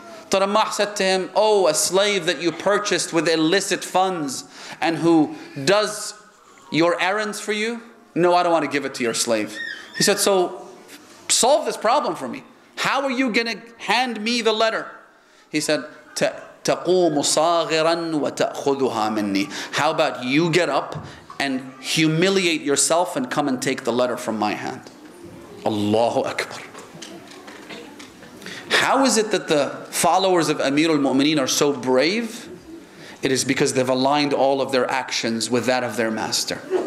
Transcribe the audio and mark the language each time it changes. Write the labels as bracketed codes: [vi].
[en] Tarammah said to him, oh, a slave that you purchased with illicit funds and who does your errands for you? No, I don't want to give it to your slave. He said, so solve this problem for me. How are you going to hand me the letter? He said, [ar] تَقُومُ صَاغِرًا وَتَأْخُذُهَا مِنِّي. [en] How about you get up and humiliate yourself and come and take the letter from my hand? [ar] Allahu Akbar. [en] How is it that the followers of Amirul Mu'mineen are so brave? It is because they've aligned all of their actions with that of their master.